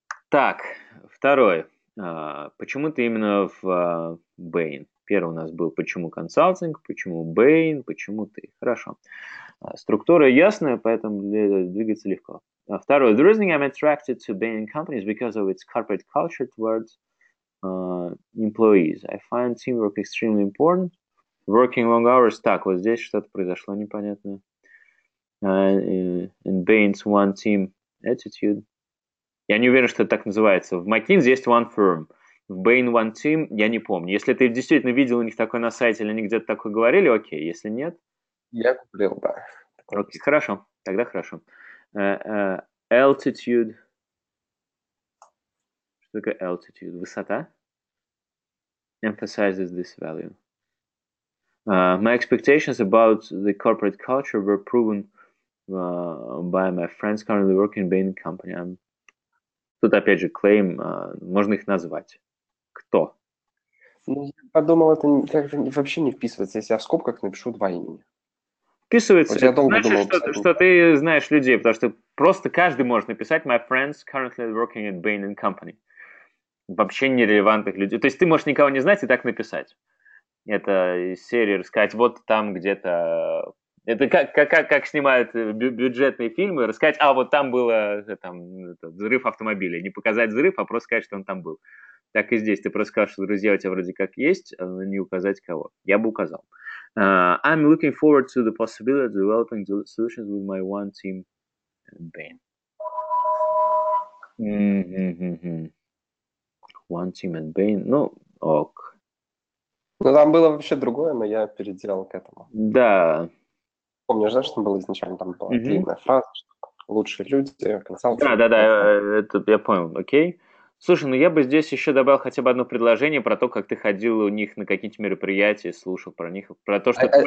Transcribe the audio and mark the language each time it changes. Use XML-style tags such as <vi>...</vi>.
<ru>Так, второе. Почему ты именно в Bain? Первый у нас был, почему консалтинг, почему Bain, почему ты. Хорошо. Структура ясная, поэтому двигаться легко. Второе.</ru> <en>The reason I'm attracted to Bain companies because of its corporate culture towards employees. I find teamwork extremely important. Working long hours.</en> <ru>Так, вот здесь что-то произошло непонятное.</ru> <en>And Bain's one team attitude.</en> <ru>Я не уверен, что это так называется. В McKinsey есть</ru> <en>one firm.</en> <ru>В Bain</ru> <en>one team,</en> <ru>я не помню. Если ты действительно видел у них такое на сайте, или они где-то такое говорили, окей. Если нет... Я куплю, да. Окей, хорошо. Тогда хорошо. Altitude. Что такое</ru> <en>altitude?</en> <ru>Высота?</ru> <en>Emphasizes this value. My expectations about the corporate culture were proven by my friends currently working in Bain company.</en> <ru>Тут, опять же, claim, можно их назвать. Кто? Ну, я подумал, это как-то вообще не вписывается, если я в скобках напишу два имени. Вписывается. Вот я долго значит, думал, что ты знаешь людей, потому что просто каждый может написать</ru> <en>my friends currently working at Bain and Company.</en> <ru>Вообще нерелевантных людей. То есть ты можешь никого не знать и так написать. Это из серии рассказать вот там где-то... Это как снимают бюджетные фильмы, рассказать, а вот там был взрыв автомобиля. Не показать взрыв, а просто сказать, что он там был. Так и здесь. Ты просто скажешь, что друзья у тебя вроде как есть, а не указать кого. Я бы указал.</ru> <en>I'm looking forward to the possibility of developing solutions with my one team and Bain. One team and Bain.</en> <ru>Ну, ок. Ну, там было вообще другое, но я переделал к этому. Да. Помню, знаешь, что там было изначально, там была длинная фраза, что лучшие люди, консалтинг. Да, это я понял, окей. Слушай, ну я бы здесь еще добавил хотя бы одно предложение про то, как ты ходил у них на какие-то мероприятия, слушал про них, про то, что тоже.</ru>